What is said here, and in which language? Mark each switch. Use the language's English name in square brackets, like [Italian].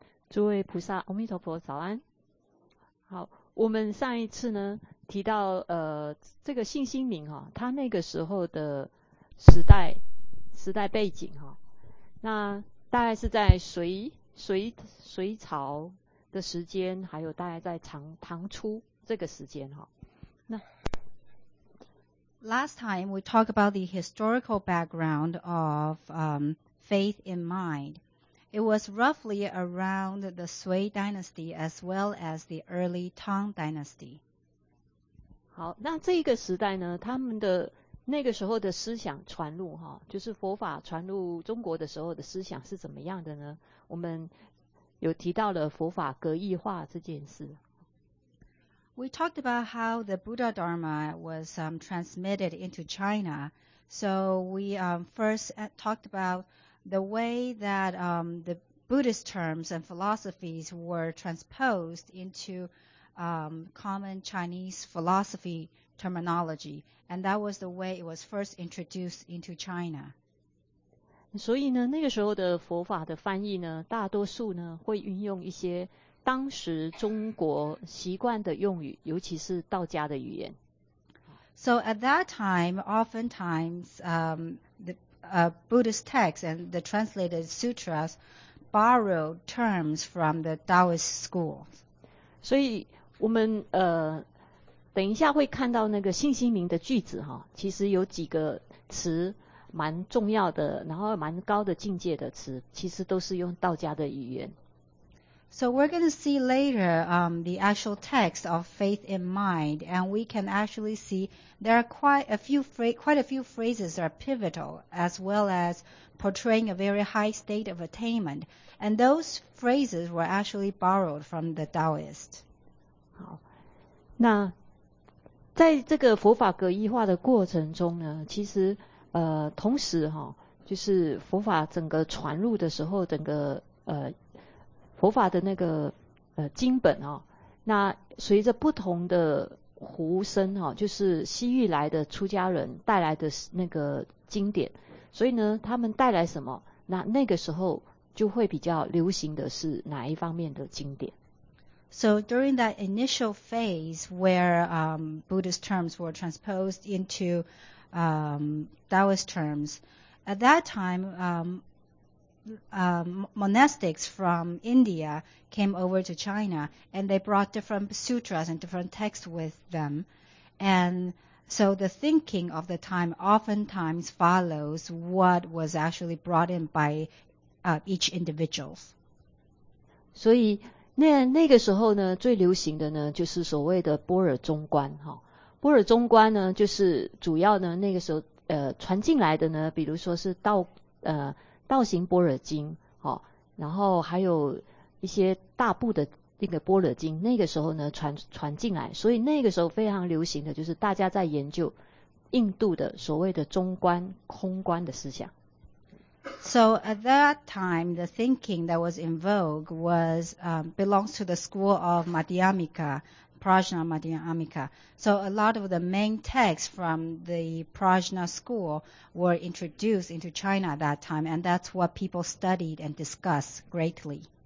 [Chinese] 诸位菩萨，阿弥陀佛，早安。好，我们上一次呢提到，这个信心明哈，他那个时候的时代背景哈，那大概是在隋朝的时间，还有大概在唐初这个时间哈。那 [English] Last time we talk about the historical background of faith in mind. It was roughly around the Sui Dynasty as well as the early Tang Dynasty. [Chinese] 好，那这个时代呢，他们的那个时候的思想传入哈，就是佛法传入中国的时候的思想是怎么样的呢？我们有提到了佛法格义化这件事。 [English] We talked about how the Buddha Dharma was transmitted into China. So we first talked about the way that the Buddhist terms and philosophies were transposed into common Chinese philosophy terminology. And that was the way it was first introduced into China. [Chinese] 所以呢，那个时候的佛法的翻译呢，大多数呢，会运用一些当时中国习惯的用语，尤其是道家的语言。 [English] So at that time, oftentimes, Buddhist texts and the translated sutras borrowed terms from the Taoist school. [Chinese] 所以我们等一下会看到那个信心明的句子哈，其实有几个词蛮重要的，然后蛮高的境界的词，其实都是用道家的语言。 [English] So we're going to see later the actual text of Faith in Mind, and we can actually see there are quite a few phrases that are pivotal, as well as portraying a very high state of attainment. And those phrases were actually borrowed from the Taoist. [Chinese] 好，那在这个佛法格义化的过程中呢，其实同时哈，就是佛法整个传入的时候，整个佛法的那个经本哦，那随着不同的呼声哦，就是西域来的出家人带来的那个经典，所以呢，他们带来什么，那那个时候就会比较流行的是哪一方面的经典。 [English] So during that initial phase where Buddhist terms were transposed into Taoist terms, at that time, monastics from India came over to China, and they brought different sutras and different texts with them. And so the thinking of the time oftentimes follows what was actually brought in by each individual. [Chinese] 所以那个时候呢，最流行的呢，就是所谓的般若中观哈。般若中观呢，就是主要呢，那个时候传进来的呢，比如说是道行般若经，好，然后还有一些大部的那个般若经，那个时候呢传进来，所以那个时候非常流行的就是大家在研究印度的所谓的中观、空观的思想。 [English] So at that time, the thinking that was in vogue was belongs to the school of Madhyamika, Prajna Madhyamika. So a lot of the main texts from the Prajna school were introduced into China at that time, and that's what people studied and discussed greatly.